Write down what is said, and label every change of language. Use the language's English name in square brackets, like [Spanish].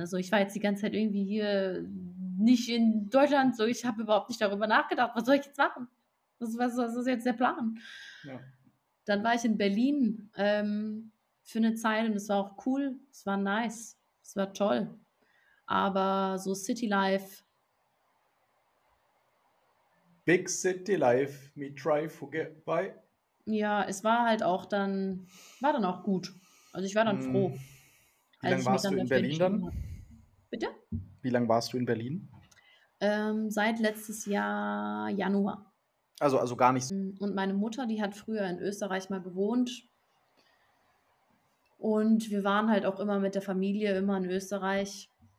[German] Also ich war jetzt die ganze Zeit irgendwie hier nicht in Deutschland, so, ich habe überhaupt nicht darüber nachgedacht, was soll ich jetzt machen? Was ist jetzt der Plan? Ja. Dann war ich in Berlin für eine Zeit und es war auch cool, es war nice, es war toll. Aber so City Life. [English] Big City Life, me try for get by. [German] Ja, es war halt auch dann, war dann auch gut. Also ich war dann froh. Wie lange warst du in Berlin dann? Bitte? Wie lange warst du in Berlin? Seit letztes Jahr Januar. Also gar nicht. Und meine Mutter, die hat früher in Österreich mal gewohnt. Und wir waren halt auch immer mit der Familie, immer in Österreich.